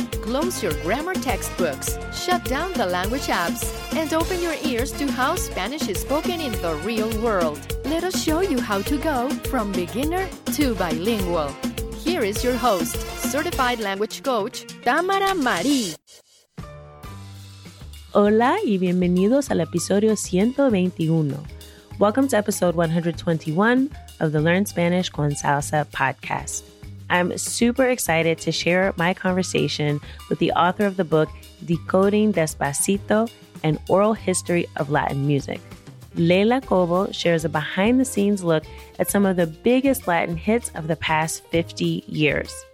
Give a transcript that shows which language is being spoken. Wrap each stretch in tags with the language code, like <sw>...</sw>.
<en>Close your grammar textbooks, shut down the language apps, and open your ears to how Spanish is spoken in the real world. Let us show you how to go from beginner to bilingual. Here is your host, certified language coach, Tamara Marie.</en> <es>Hola y bienvenidos al episodio 121.</es> <en>Welcome to episode 121 of the Learn Spanish con Salsa podcast. I'm super excited to share my conversation with the author of the book, Decoding Despacito, An Oral History of Latin Music. Leila Cobo shares a behind-the-scenes look at some of the biggest Latin hits of the past 50 years.</en>